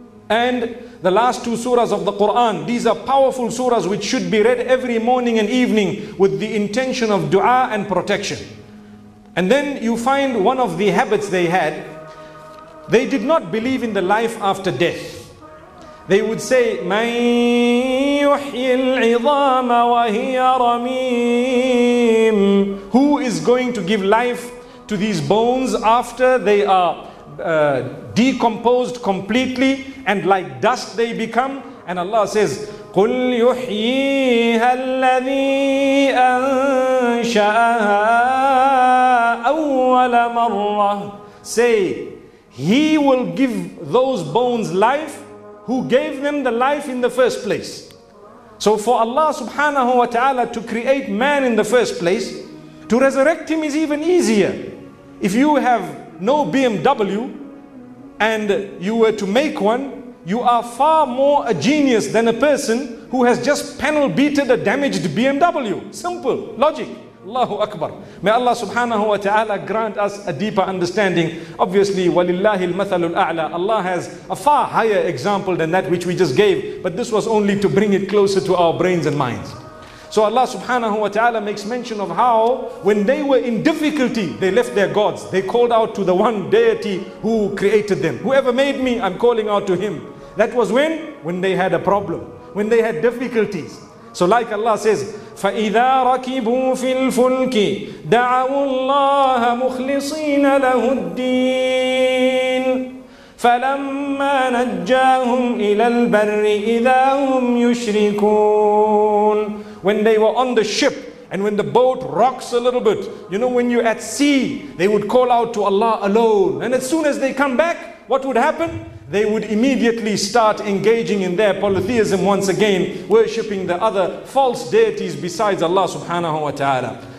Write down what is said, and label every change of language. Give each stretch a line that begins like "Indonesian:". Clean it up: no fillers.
English: And the last two surahs of the Quran, these are powerful surahs which should be read every morning and evening with the intention of dua and protection. And then you find one of the habits they had, they did not believe in the life after death. They would say,
Arabic: مَن يُحْيِي الْعِظَامَ وَهِيَ رَمِيمٌ.
English: Who is going to give life to these bones after they are decomposed completely and like dust they become? And Allah says,
Arabic: قُلْ يُحْيِيهَا الَّذِي أَنْشَأَهَا أَوَّلَ مَرَّةٍ.
English: Say, He will give those bones life who gave them the life in the first place. So for Allah subhanahu wa ta'ala to create man in the first place, to resurrect him is even easier. If you have no BMW and you were to make one, you are far more a genius than a person who has just panel beated a damaged BMW. Simple logic. Allahu Akbar. May Allah subhanahu wa ta'ala grant us a deeper understanding. Obviously,
Arabic: وَلِلَّهِ الْمَثَلُ الْأَعْلَى.
English: Allah has a far higher example than that which we just gave. But this was only to bring it closer to our brains and minds. So Allah subhanahu wa ta'ala makes mention of how when they were in difficulty, they left their gods. They called out to the one deity who created them. Whoever made me, I'm calling out to him. That was when they had a problem, when they had difficulties. So like Allah says,
Arabic: فَإِذَا رَكِبُوا فِي الْفُلْكِ دَعَوُوا اللَّهَ مُخْلِصِينَ لَهُ الدِّينَ فَلَمَّا نَجَّاهُمْ إِلَى الْبَرِّ إِذَا هُمْ يُشْرِكُونَ.
English: When they were on the ship and when the boat rocks a little bit, you know, when you're at sea, they would call out to Allah alone. And as soon as they come back, what would happen? They would immediately start engaging in their polytheism once again, worshipping the other false deities besides Allah subhanahu wa ta'ala.